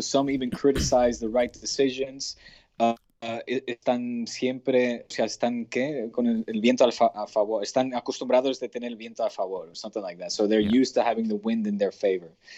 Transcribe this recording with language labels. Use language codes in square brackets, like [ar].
[en] Some even criticize the right decisions. [es] Están siempre, o sea, están qué con el viento a favor. Están acostumbrados de tener el viento a favor, [en] or something like that. So they're used to having the wind in their favor.